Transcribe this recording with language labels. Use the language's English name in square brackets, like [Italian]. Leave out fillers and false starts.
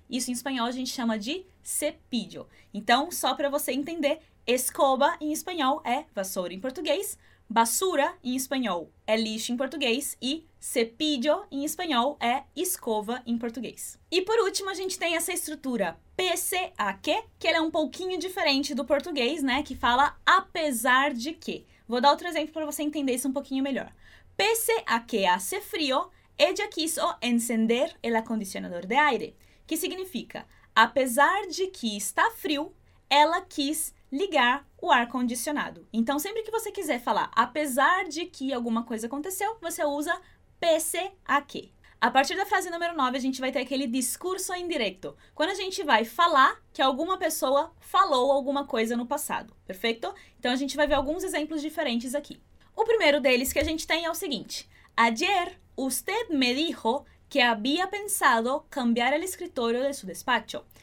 [Portuguese] Isso em espanhol a gente chama de cepillo. Então, só para você entender, escoba em espanhol é vassoura em português, basura em espanhol é lixo em português e cepillo em espanhol é escova em português. E por último, a gente tem essa estrutura pese a que ela é um pouquinho diferente do português, né? Que fala apesar de que. Vou dar outro exemplo para você entender isso um pouquinho melhor. [Spanish] Pese a que hace frio, ella quiso encender el acondicionador de aire. [Portuguese] Que significa, apesar de que está frio, ela quis ligar o ar-condicionado. Então, sempre que você quiser falar apesar de que alguma coisa aconteceu, você usa [Spanish] pese a que. [Portuguese] A partir da frase número 9, a gente vai ter aquele discurso indireto. Quando a gente vai falar que alguma pessoa falou alguma coisa no passado, perfeito? Então, a gente vai ver alguns exemplos diferentes aqui. O primeiro deles que a gente tem é o seguinte. [Spanish] Ayer, usted me dijo que había pensado cambiar el escritorio de su despacho.